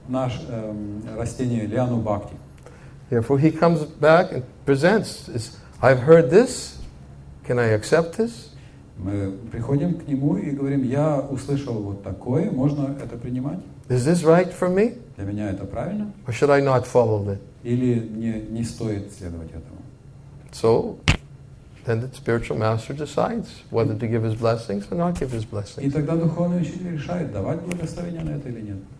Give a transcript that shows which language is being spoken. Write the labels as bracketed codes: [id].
[ru] Наш растение лиану бхакти. [en] Therefore, he comes back and presents, I've heard this, can I accept this? [ru] Мы приходим к нему и говорим, я услышал вот такое, можно это принимать? [en] Is this right for me? [ru] Для меня это правильно? [en] Or should I not follow it? [ru] Или не стоит следовать этому? [en] So, then the spiritual master decides whether to give his blessings or not give his blessings. [ru] И тогда духовный учитель решает, давать благословение на это или нет.